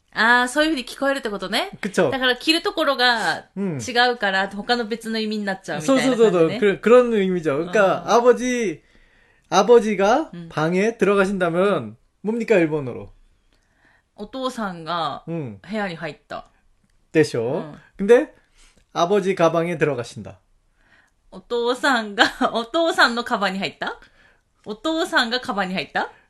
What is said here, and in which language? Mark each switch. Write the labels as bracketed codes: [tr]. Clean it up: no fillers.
[ja] 아そういうふうに聞こえるってことね [ko] 그쵸 [ja] だから切るところが違うから他の別の意味になっちゃうみたいな感じね [ko] 그런의미죠그러니까아버지가방에들어가신다면뭡니까일본어로 [ja] お父さんが部屋に入ったでしょ [ko] 근데아버지가방에들어가신다 [ja] お父さんがお父さんのカバンに入ったお父さんがカバンに入った?